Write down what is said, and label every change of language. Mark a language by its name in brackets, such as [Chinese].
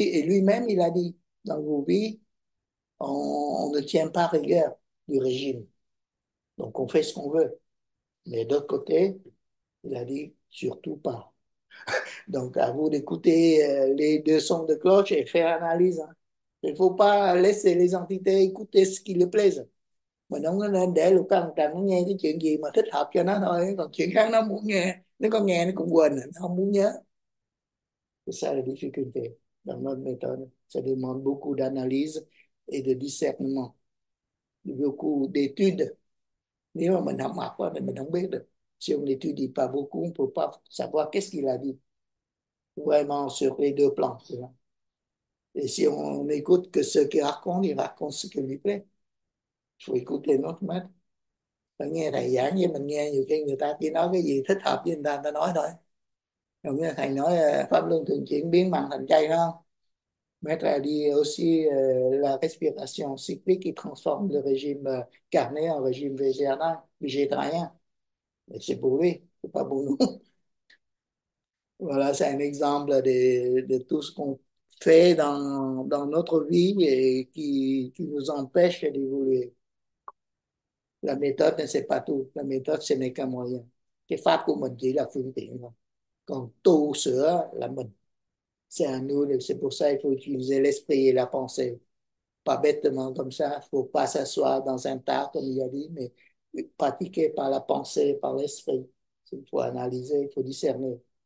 [French] Et lui-même, il a dit, dans le Wubi, on ne tient pas rigueur du régime. Donc, on fait ce qu'on veut. Mais d'autre côté, il a dit, surtout pas. Donc, à vous d'écouter les deux sons de cloche et faire l'analyse. Hein. Il ne faut pas laisser les entités écouter ce qui leur plaise. Mais non, [Vietnamese] để lục căn trần nó nghe cái chuyện gì mà thích hợp cho nó thôi. Còn chuyện khác nó muốn nghe. Nếu có nghe nó cũng quên, nó không muốn nhớ. [French] Ça, la difficulté dans notre méthode, ça demande beaucoup d'analyse et de discernement. Beaucoup d'études. [Vietnamese] Nếu mà mình không học, thì mình không biết được. [French] Si on n'étudie pas beaucoup, on ne peut pas savoir qu'est-ce qu'il a dit. Vraiment, sur les deux plans. Et si on n'écoute que ce qu'il raconte, il raconte ce qui lui plaît. Il faut écouter notre maître. [Vietnamese] On nghe thầy giảng, nhưng mình nghe nhiều khi người ta chỉ nói cái gì thích hợp với người ta, nói thôi. Giống như thầy nói pháp luân thường chuyển biến bằng thành chay, không? [French] Maître a dit aussi la respiration cyclique qui transforme le régime carné en régime végétarien. Mais c'est pour lui, c'est pas pour nous. Voilà, c'est un exemple de tout ce qu'on fait dans notre vie et qui nous empêche d'évoluer. La méthode, c'est pas tout. La méthode, ce n'est qu'un moyen. [Vietnamese] Cái pháp của mình chỉ là phương tiện thôi. Còn tu sửa là mình. [French] C'est à nous, c'est pour ça qu'il faut utiliser l'esprit et la pensée. Pas bêtement comme ça, faut pas s'asseoir dans un tas, comme il a dit, mais pratiquer par la pensée, par l'esprit. Il faut analyser, il faut discerner.